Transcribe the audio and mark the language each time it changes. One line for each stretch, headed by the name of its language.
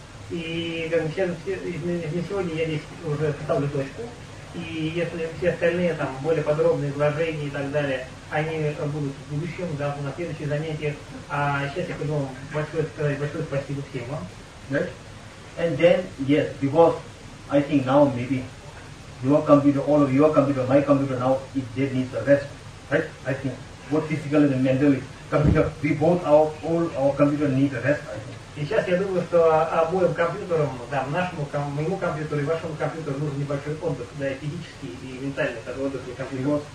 Russian: И, как бы, сегодня я здесь уже поставлю точку. И если все остальные, там, более подробные изложения и так далее, они будут в будущем, да, на следующих занятиях. А сейчас я хочу вам большое сказать, большое спасибо всем вам.
English: Right? And then, yes, because I think now maybe your computer, all of your computer, my computer now, it just needs a rest, right? I think, both physical and mental, computer, we both, our, all our computer need a rest, I think.
Russian: Сейчас я думаю, что обоим компьютерам, да, нашему, моему компьютеру и вашему компьютеру нужен небольшой отдых, да, физический и ментальный, такой отдых для компьютера.